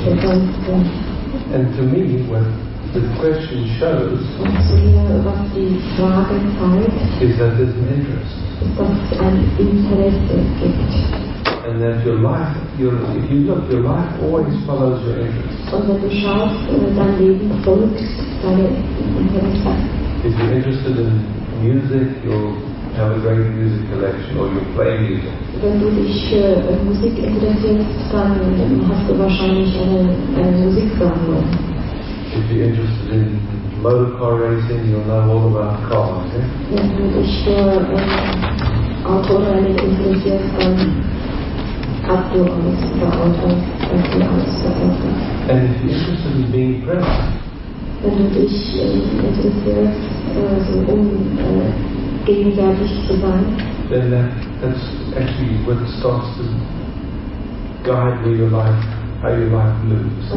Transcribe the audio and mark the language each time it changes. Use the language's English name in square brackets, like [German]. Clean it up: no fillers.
[English] And to me, what the question shows is that there's an interest. And that your life, if you look, your life always follows your interests. If you're interested in music, you'll have a great music collection or you play music. [German] Wenn du dich Musik interessierst, dann hast du wahrscheinlich eine Musiksammlung. [English] If you're interested in motor car racing, you'll know all about cars, eh? [German] Wenn du dich Autorennen interessierst, dann hast du alles über Autos, was du alles verfolgst. [English] And if you're interested in being present, [German] wenn du dich interessierst, gegenwärtig zu sein, [English] then that's actually what starts to guide where your life, how your life moves.